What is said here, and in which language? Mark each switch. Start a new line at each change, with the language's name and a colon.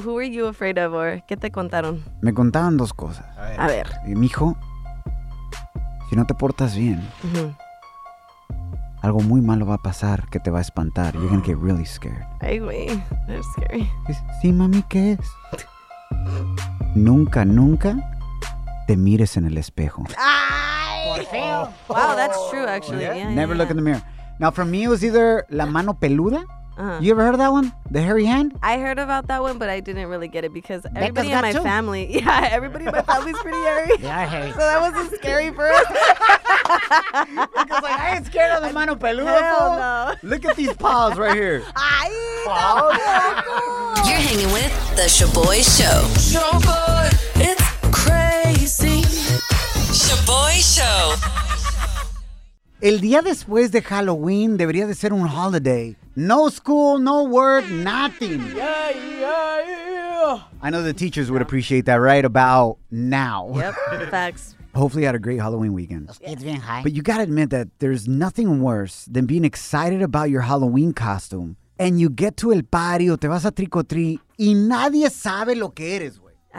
English: Who were you afraid of or
Spanish: qué te contaron? Me contaban dos cosas. A ver. Mijo, si no te portas bien, algo muy malo va a pasar que te va a espantar.
English: You're going to get really scared. Ay, güey. That's scary.
Spanish: Sí, mami, ¿qué es? Nunca, nunca te mires en el espejo. Ay, feo.
English: Wow, that's true, actually. Yeah. Yeah, never look in the mirror. Now, for me, it was either
Spanish: la mano peluda.
English: Uh-huh. You ever heard of that one? The hairy hand? I heard about that one, but I didn't really get it because everybody in my family... Yeah, everybody in my family's pretty hairy. Yeah, hairy. So that wasn't scary for us. Because like, I ain't scared of the mano peluda. Hell no. Look at these paws right here. Ay, paws? You're hanging with The Shaboy Show. Shaboy, it's crazy. Shaboy Show.
Spanish: El día después de Halloween debería de ser un holiday.
English: No school, no work, nothing. Yeah, yeah, yeah. I know the teachers would appreciate that right about now. Yep, facts. Hopefully you had a great Halloween weekend. It's been high. But you gotta admit that there's nothing worse than being excited about your Halloween costume and you get to
Spanish: el party, te vas a tricotri, y nadie sabe lo que eres, güey.